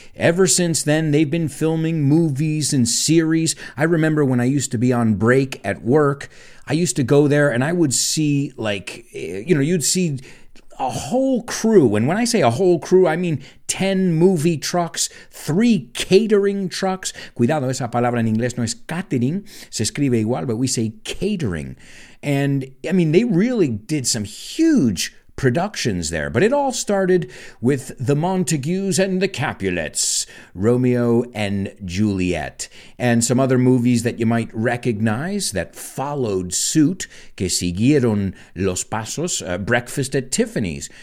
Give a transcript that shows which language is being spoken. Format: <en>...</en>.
<en>Ever since then, they've been filming movies and series. I remember when I used to be on break at work, I used to go there and I would see, like, you know, you'd see a whole crew. And when I say a whole crew, I mean 10 movie trucks, 3 catering trucks.</en> <es>Cuidado, esa palabra en inglés no es catering. Se escribe igual,</es> <en>but we say catering. And, I mean, they really did some huge productions there. But it all started with the Montagues and the Capulets, Romeo and Juliet, and some other movies that you might recognize that followed suit,</en> <es>que siguieron los pasos,</es> <en>Breakfast at Tiffany's.</en>